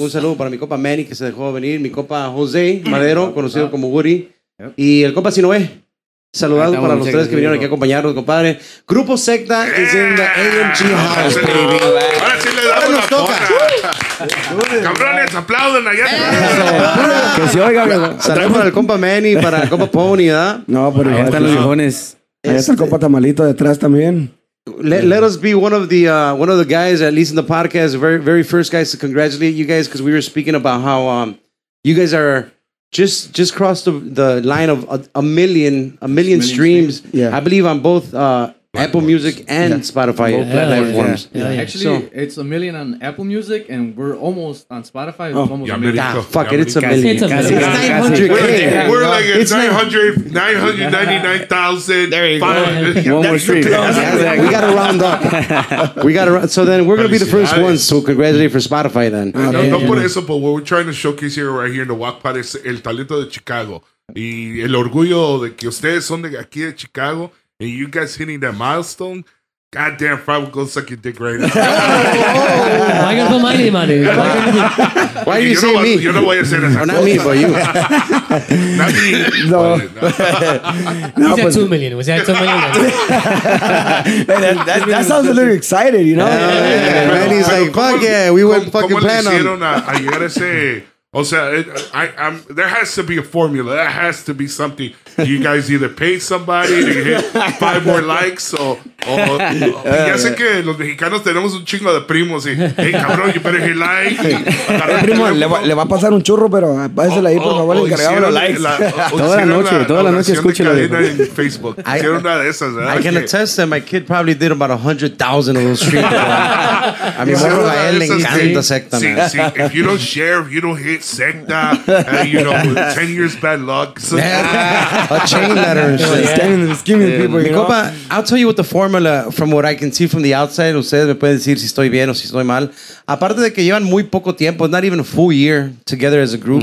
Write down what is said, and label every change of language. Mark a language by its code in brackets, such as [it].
[es] un saludo para mi compa Manny, que se dejó venir. Mi compa José Madero, conocido como Woody. Yep. Y el compa Sinoé. Saludazos para los tres que vinieron aquí a acompañarnos, compadre. [en] Grupo Sekta is in the AMG house, baby. [es] Ahora sí le damos ahora nos toca. Cabrones, aplauden allá. Que se oiga. Saludos para el compa Manny, para el compa Pony, ¿verdad? No, pero ahí están los hijones. Ahí está el compa Tamalito detrás también. [en] Let us be one of the guys, at least in the podcast, very very first guys to congratulate you guys, because we were speaking about how you guys are just crossed the line of a million streams. Yeah. I believe on both Apple Music and Spotify platforms. Actually, it's a million on Apple Music, and we're almost on Spotify. Oh. Almost yeah, America. Fuck it, it's a million. It's 900K. We're like 999,500. There you go. One more stream. We got to round up. So then we're going to be the first ones to congratulate for Spotify then. [es] No por eso, [en] but what we're trying to showcase here right here in the Walk Pod is [es] el talento de Chicago. Y el orgullo de que ustedes son de aquí de Chicago. [en] And you guys hitting that milestone? Goddamn, Fry will go suck your dick right now. Why are you going to put money, man? Why are you saying me? You know why you're saying that. Not me, but you. Not me. No. Was that 2 million? Was that 2 million? that sounds a little excited, you know? Man, he's like, fuck yeah, we went fucking plan on. You gotta say, o sea, there has to be a formula. There has to be something. You guys either pay somebody to hit 5 more likes, or [es] sé que los mexicanos tenemos un chingo de primos. Y, hey, cabrón, [en] you better hit like. [es] Hey, primo, le va a pasar un churro, pero pásale ahí, por favor, encargado los likes. Toda la noche escúchelo. En Facebook. Hicieron una de esas, ¿verdad? [en] I can attest that my kid probably did about 100,000 of those streams. [es] A mi morro a él le encanta Sekta, man. [en] See, if you don't share, if you don't hit Sekta, you know, 10 years bad luck. So, a chain letter and shit. [es] Compa, [en] I'll tell you what the formula, from what I can see from the outside, [es] ustedes me pueden decir si estoy bien o si estoy mal. Aparte de que llevan muy poco tiempo, [en] not even a full year together as a group.